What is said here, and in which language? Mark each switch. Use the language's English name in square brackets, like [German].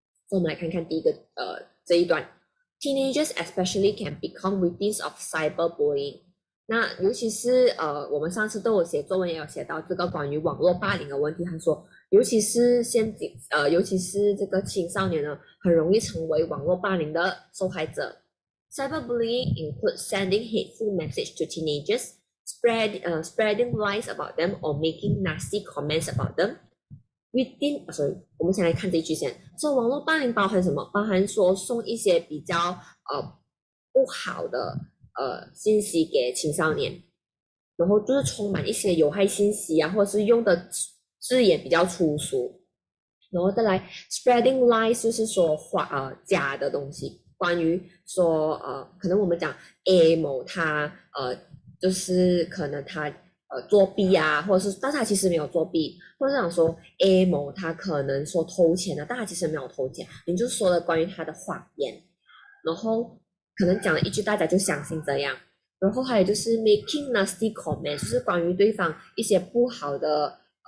[Chinese] 我们来看看第一个这一段： [English] Teenagers especially can become victims of cyberbullying。 [Chinese] 那尤其是我们上次都有写作文，也有写到这个关于网络霸凌的问题。他说。尤其是这个青少年呢，很容易成为网络霸凌的受害者。 [English] Cyberbullying includes sending hateful messages to teenagers, spreading lies about them or making nasty comments about them. [Chinese] Sorry，我们先来看这一句先。说网络霸凌包含什么？包含说送一些比较不好的信息给青少年，然后就是充满一些有害信息啊，或者是用的。字也比较粗俗，然后再来 [English] spreading lies [Chinese] 就是说假的东西，关于说可能我们讲 A 某他就是可能他作弊啊，或者是但是他其实没有作弊，或者想说 A 某他可能说偷钱啊，但他其实没有偷钱，你就说了关于他的谎言，然后可能讲了一句大家就相信这样，然后还有就是 [English] making nasty comments [Chinese] 就是关于对方一些不好的